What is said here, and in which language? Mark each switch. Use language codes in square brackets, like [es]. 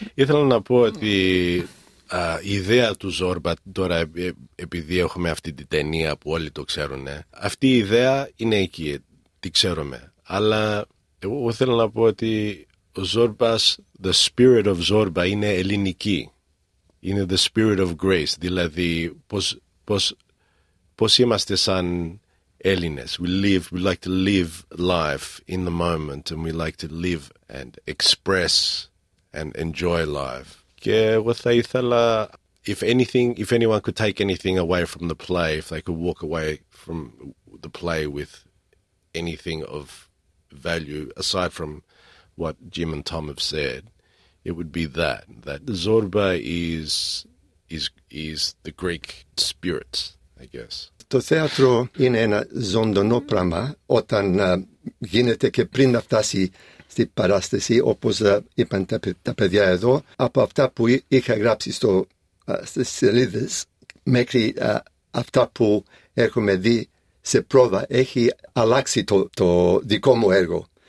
[el] Ήθελα να πω ότι η ιδέα του Ζόρμπα, τώρα επειδή έχουμε αυτή την ταινία που όλοι το ξέρουν, αυτή η ιδέα είναι εκεί, τη ξέρουμε. Αλλά εγώ θέλω να πω ότι ο Ζόρμπας, [en] the spirit of [el] Ζόρμπα είναι ελληνική. Είναι [en] the spirit of grace, [el] δηλαδή πώς είμαστε σαν Έλληνες. [en] We like to live life in the moment and we like to live and express and enjoy life. [el] Και εγώ θα ήθελα, [en] if anyone could take anything away from the play, if they could walk away from the play with anything of value, aside from what Jim and Tom have said, it would be that Zorba is the Greek spirit, I guess. [el] Το θέατρο είναι ένα ζωντανό πράγμα όταν γίνεται και πριν να φτάσει στη παράσταση, όπως είπαν τα παιδιά εδώ, από αυτά που είχα γράψει στις σελίδες μέχρι αυτά που έχουμε δει σε πρόβα, έχει αλλάξει το δικό μου έργο.